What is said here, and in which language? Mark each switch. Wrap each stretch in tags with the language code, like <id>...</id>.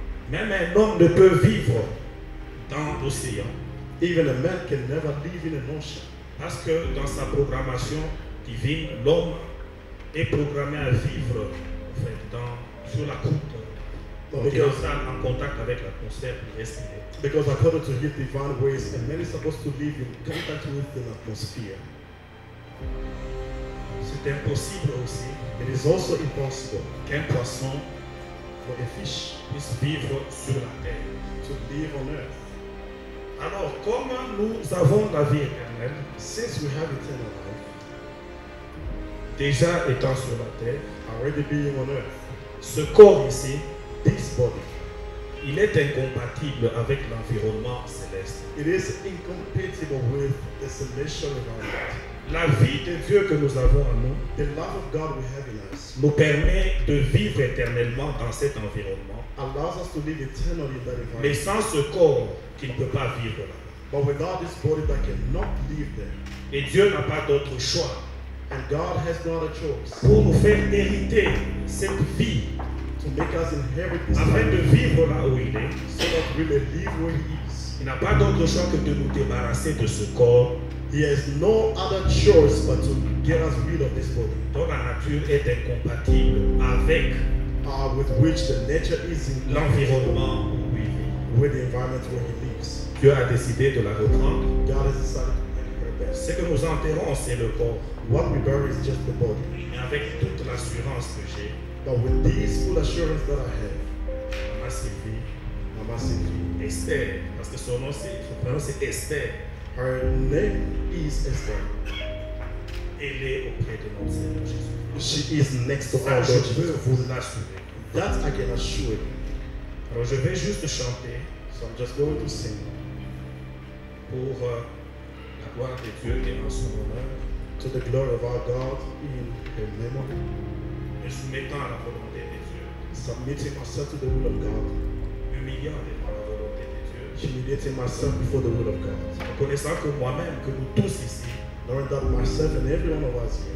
<fr>même un homme ne peut vivre dans l'océan.</fr> <en>Even a man can never live in an ocean.</en> <fr>Parce que dans sa programmation divine, l'homme est programmé à vivre en fait, sur la croûte. En contact avec l'atmosphère terrestre.</fr> <en>Because according to his divine ways, a man is supposed to live in contact with the atmosphere.</en> <fr>C'est impossible aussi.</fr> <en>It is also impossible</en> <fr>qu'un poisson pour les fish puisse vivre sur la terre.</fr> <en>To live on earth.</en> <fr>Alors, comment nous avons la vie éternelle,</fr> <en>since we have eternal life,</en> <fr>déjà étant sur la terre,</fr> <en>already being on earth,</en> <fr>ce corps ici,</fr> <en>this body,</en> <fr>il est incompatible avec l'environnement céleste.</fr> <en>It is incompatible with the celestial environment.</en> <fr>La vie de Dieu que nous avons en nous,</fr> <en>the love of God we have in us,</en> <fr>nous permet de vivre éternellement dans cet environnement,</fr> <en>allows us to live eternally in that environment,</en> <fr>mais sans ce corps qui ne peut pas vivre là.</fr> <en>But without this body that cannot live there.</en> <fr>Et Dieu n'a pas d'autre choix,</fr> <en>and God has no other choice,</en> <fr>pour nous faire hériter cette vie,</fr> <en>to make us inherit this,</en> <fr>afin de vivre là où il est,</fr> <en>so that we may live where he is.</en> <fr>Il n'a pas d'autre choix que de nous débarrasser de ce corps.</fr> <en>He has no other choice but to get us rid of this body.</en> <fr>Dont la nature est incompatible avec</fr> <en>with which the nature is in</en> <fr>l'environnement où il vit,</fr> <en>with the environment where he lives.</en> <fr>Dieu a décidé de la reprendre.</fr> <en>God has decided to repair.</en> <fr>Ce que nous enterrons, c'est le corps.</fr> <en>What we bury is just the body.</en> <fr>Mais avec toute l'assurance que j'ai,</fr> <en>but with this full assurance that I have,</en> <fr>Mama Sylvie,</fr> <en>Mama Sylvie,</en> <fr>Esther, parce que son nom c'est Esther.</fr> <en>Her name is Esther.</en> <fr>Elle est auprès de notre Seigneur Jésus.</fr> <en>She is next to our</en> <fr>Lord. Je veux vous l'assurer.</fr> <en>That I can assure you.</en> <fr>Alors je vais juste chanter.</fr> <en>So I'm just going to sing.</en> <fr>Pour la gloire de Dieu et en son honneur.</fr> <en>To the glory of our God in her memory.</en> <fr>Me soumettant à la volonté de Dieu.</fr> <en>Submitting myself to the will of God.</en> <fr>Humiliant devant la volonté.</fr> <en>Humiliating myself before the will of God.</en> <fr>Reconnaissant que moi-même, que nous tous ici,</fr> <en>knowing that myself and every one of us here,</en>